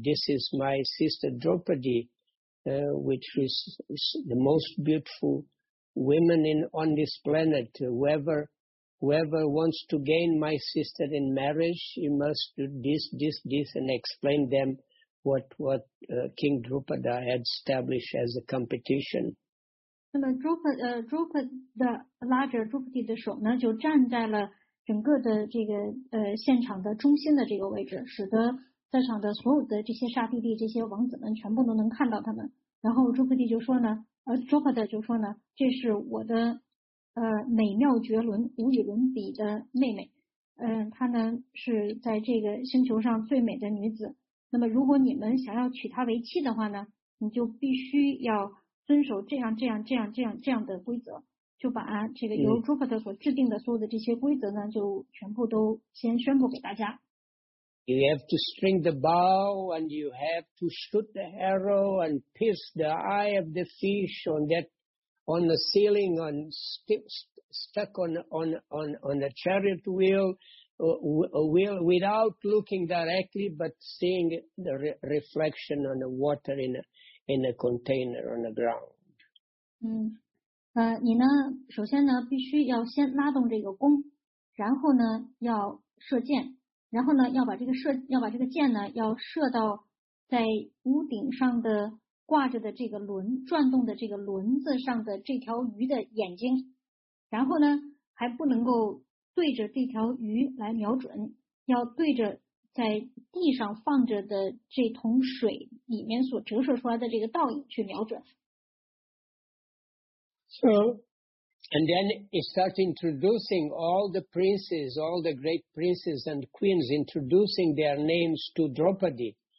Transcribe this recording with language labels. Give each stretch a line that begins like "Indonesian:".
English: This is my sister Draupadi, which is the most beautiful woman on this planet. Whoever wants to gain my sister in marriage, he must do this, and explain them what King Draupada had established as a competition.
Chinese: 那么Draupadi的手呢，就站在了整个的这个现场的中心的这个位置，使得在场的所有的这些刹帝利、这些王子们全部都能看到他们。然后Draupadi就说呢，这是我的美妙绝伦、无与伦比的妹妹。她呢是在这个星球上最美的女子。那么如果你们想要娶她为妻的话呢，你就必须要遵守这样的规则，就把这个由 Jupiter 所制定的所有的这些规则呢就全部都先宣布给大家。
English: You have to string the bow, and you have to shoot the arrow and pierce the eye of the fish on that, on the ceiling, on stuck on the chariot wheel, wheel without looking directly, but seeing the reflection on the water in a container on the ground.
Chinese: 你呢？首先呢，必须要先拉动这个弓，然后呢，要射箭。然后呢，要把这个箭呢，要射到在屋顶上的挂着的这个轮转动的这个轮子上的这条鱼的眼睛。然后呢，还不能够对着这条鱼来瞄准，要对着在地上放着的这桶水里面所折射出来的这个倒影去瞄准。
English: So, and then it starts introducing all the princes, all the great princes and queens, introducing their names to Draupadi.